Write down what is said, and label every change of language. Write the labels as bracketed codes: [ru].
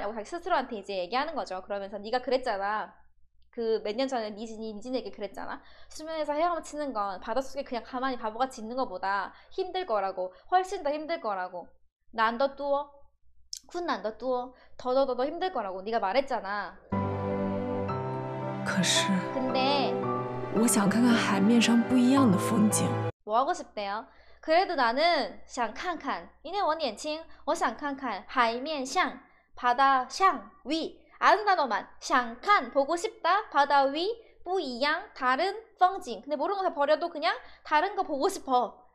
[ko] 라고 자기 스스로한테 이제 얘기하는 거죠. 그러면서 네가 그랬잖아. 그몇년 전에 니진에게 그랬잖아. 수면에서 헤엄을 치는 건 바닷속에 그냥 가만히 바보같이 있는 것보다 힘들 거라고. 훨씬 더 힘들 거라고. 난더 뚜어. 쿤난더 뚜어. 더더더더 힘들 거라고 네가 말했잖아. 근데 [zh] 我想看看海面上不一样的风景. [ko] 뭐 하고 싶대요? 그래도 나는 샹칸칸 이내원년칭 [zh] 我想看看 [ko] 하이면샹 바다샹 위 아름다노만 샹칸 보고 싶다 바다 위 뿌이양 다른 펑징. 근데 모르는 거다 버려도 그냥 다른 거 보고 싶어.